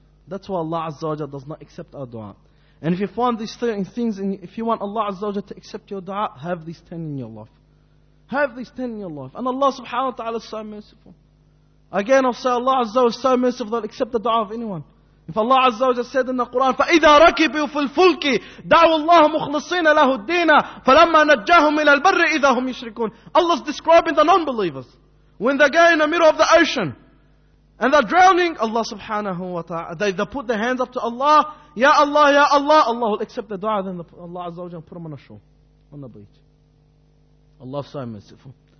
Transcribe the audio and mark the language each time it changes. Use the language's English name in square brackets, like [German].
[English] That's why Allah Azza wa Jalla does not accept our dua. And if you find these 13 things, and if you want Allah Azza wa Jalla to accept your dua, have these 10 in your life. Have these 10 in your life. And Allah subhanahu wa ta'ala is so merciful. Again, I'll say Allah Azza wa Jalla is so merciful that accept the dua of anyone. If Allah Azza wa Jalla said in the Quran, [Arabic] فَإِذَا رَكِبُوا فِي الْفُلْكِ دَعُوا اللَّهُ مُخْلِصِينَ لَهُ الدِّينَ فَلَمَّا نَجَّاهُمْ إِلَى الْبَرِّ إِذَا هُمْ يُشْرِكُونَ. [English] Allah is describing the non-believers. When they go in the middle of the ocean, and they're drowning, Allah subhanahu wa ta'ala, they put their hands up to Allah, Ya Allah, Ya Allah, Allah will accept the dua, then Allah Azza wa Jalla put them on a shore, on the beach. Allah is so merciful.